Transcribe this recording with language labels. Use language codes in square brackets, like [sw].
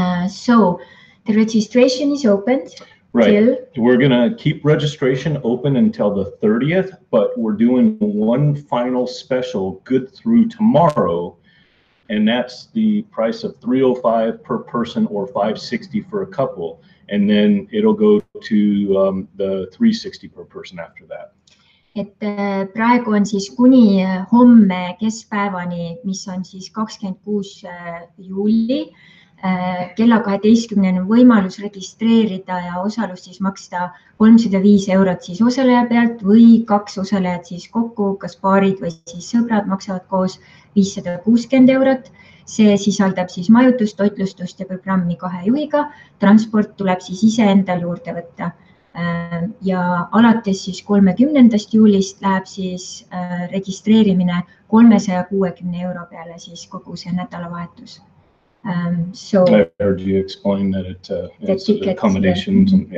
[en] So the registration is opened. Right. We're going to keep registration open until the 30th, but we're doing one final special good through tomorrow, and that's the price of $305 per person or $560 for a couple, and then it'll go to the $360 per person after that. [et] Et praegu on siis kuni homme keskpäevani, mis on siis 26 juuli. Kella 12 on võimalus registreerida ja osalus siis maksta 305 eurot siis osaleja pealt või kaks osalejat siis kokku, kas paarid või siis sõbrad maksavad koos 560 eurot. See sisaldab siis majutust, toitlustust ja programmi kahe juhiga. Transport tuleb siis ise endal juurde võtta. Ja alates siis 30. juulist läheb siis registreerimine 360 euro peale siis kogu see nädalavahetus. [en] So I heard you explain that it's tickets, accommodations